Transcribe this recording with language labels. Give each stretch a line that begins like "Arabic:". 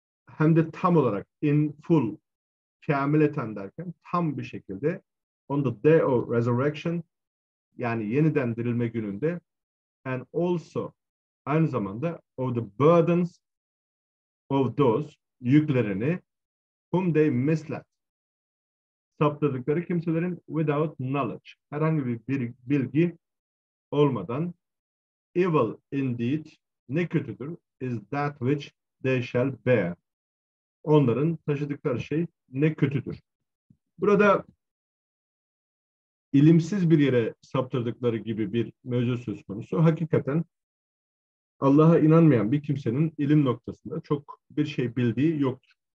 Turkish: Hem de tam olarak,
English: in full,
Turkish: kamileten derken, tam bir şekilde,
English: on the day of resurrection,
Turkish: yani yeniden dirilme gününde,
English: and also,
Turkish: aynı zamanda,
English: of the burdens of those,
Turkish: yüklerini,
English: whom they misled.
Turkish: Saptırdıkları kimselerin
English: without knowledge,
Turkish: herhangi bir bilgi olmadan.
English: Evil indeed,
Turkish: ne kötüdür,
English: is that which they shall bear.
Turkish: Onların taşıdıkları şey ne kötüdür. Burada ilimsiz bir yere saptırdıkları gibi bir mevzu söz konusu. Hakikaten Allah'a inanmayan bir kimsenin ilim noktasında çok bir şey bildiği yoktur.